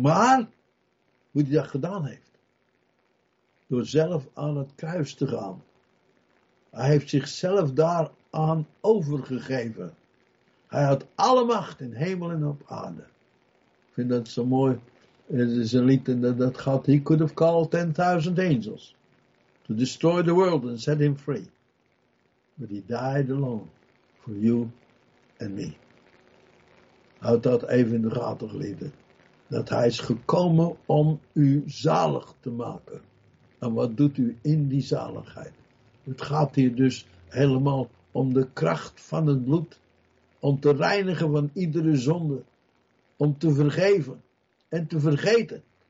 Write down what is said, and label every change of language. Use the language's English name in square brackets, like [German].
[Dutch] Maar hoe hij dat gedaan heeft. Door zelf aan het kruis te gaan. Hij heeft zichzelf daaraan overgegeven. Hij had alle macht in hemel en op aarde. Ik vind dat zo mooi. Het is een lied en dat gaat. [English] He could have called 10,000 angels to destroy the world and set him free. But he died alone for you and me. [Dutch] Houd dat even in de gaten, geliefden. Dat hij is gekomen om u zalig te maken. En wat doet u in die zaligheid? Het gaat hier dus helemaal om de kracht van het bloed. Om te reinigen van iedere zonde. Om te vergeven en te vergeten.